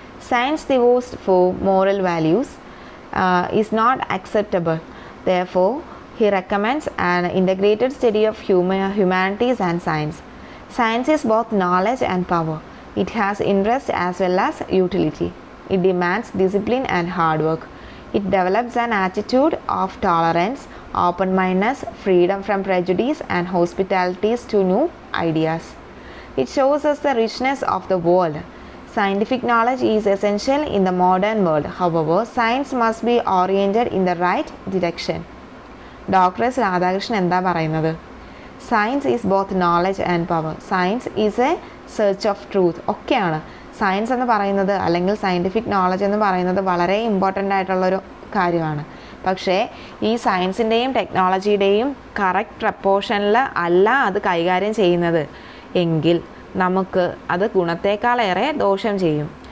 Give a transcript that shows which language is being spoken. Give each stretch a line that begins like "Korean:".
English: Science divorced for moral values is not acceptable. Therefore he recommends and integrated study of humanities and science. Science is both knowledge and power. It has interest as well as utility. It demands discipline and hard work. It develops an attitude of tolerance, open-mindedness, freedom from prejudice and hospitality to new ideas. It shows us the richness of the world. Scientific knowledge is essential in the modern world. However, science must be oriented in the right direction. Dr. S. Radhakrishnan
Malayalam: enda parayunnathu?
English: Science is both knowledge and power. Science is a search of truth.
Malayalam: Okkayana. Science എന്ന് പറയുന്നത് അല്ലെങ്കിൽ scientific knowledge എന്ന് പറയുന്നത് വളരെ important ആയിട്ടുള്ളൊരു കാര്യമാണ്. പക്ഷേ ഈ സയൻസിൻ്റെയും ടെക്നോളജിയുടെയും കറക്റ്റ് പ്രപ്പോർഷനിൽ അല്ല അത് കൈകാര്യം ചെയ്യുന്നത് എങ്കിൽ നമുക്ക് അത് ഗുണത്തേക്കാളേറെ ദോഷം ചെയ്യും.